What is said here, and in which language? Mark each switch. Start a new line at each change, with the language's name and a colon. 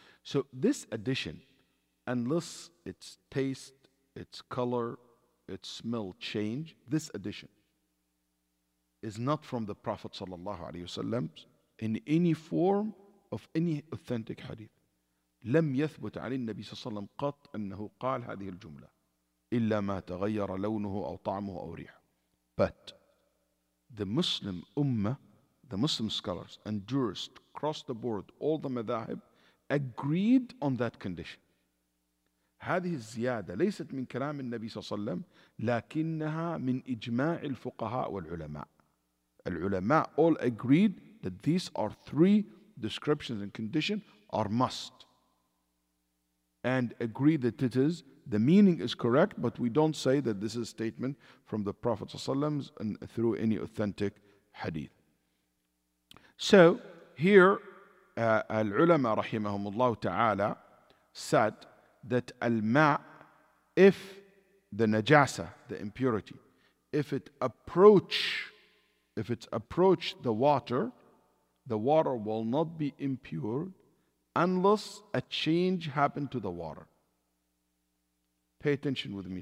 English: So this addition, unless its taste, its color, its smell change, this addition is not from the Prophet sallallahu alaihi wasallam in any form of any authentic hadith.
Arabic: لم يثبت عن النبي صلى الله عليه وسلم قط أنه قال هذه الجملة إلا ما تغير لونه أو طعمه أو ريحه.
English: But the Muslim Ummah, the Muslim scholars and jurists across the board, all the madhahib, agreed on that condition.
Arabic: هذه الزيادة ليست من كلام النبي صلى الله عليه وسلم لكنها من إجماع الفقهاء والعلماء.
English: العلماء all agreed that these are three descriptions and condition are must. And agree that it is, the meaning is correct, but we don't say that this is a statement from the Prophet ﷺ and through any authentic hadith. So here,
Arabic: العلماء رحمهم الله تعالى
English: said that al-ma', if the najasa, the impurity, if it approach the water will not be impure unless a change happened to the water. Pay attention with me.